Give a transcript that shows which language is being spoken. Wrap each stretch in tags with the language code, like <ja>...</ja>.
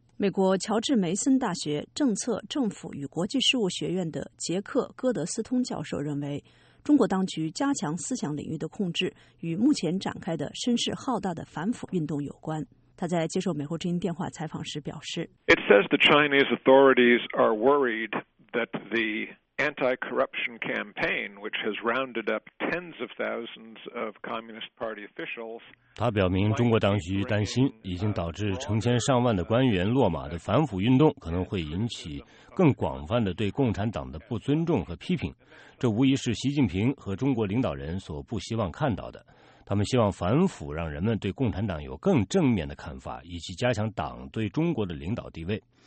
<zh>美国乔治梅森大学政策、政府与国际事务学院的杰克·戈德斯通教授认为，中国当局加强思想领域的控制与目前展开的声势浩大的反腐运动有关。他在接受美国之音电话采访时表示</zh> <en>：“It says the Chinese authorities are worried that the anti-corruption campaign, which has rounded up tens of thousands of Communist Party officials.”</en> <zh>他表明，中国当局担心已经导致成千上万的官员落马的反腐运动可能会引起更广泛的对共产党的不尊重和批评，这无疑是习近平和中国领导人所不希望看到的。他们希望反腐让人们对共产党有更正面的看法，以及加强党对中国的领导地位。</zh>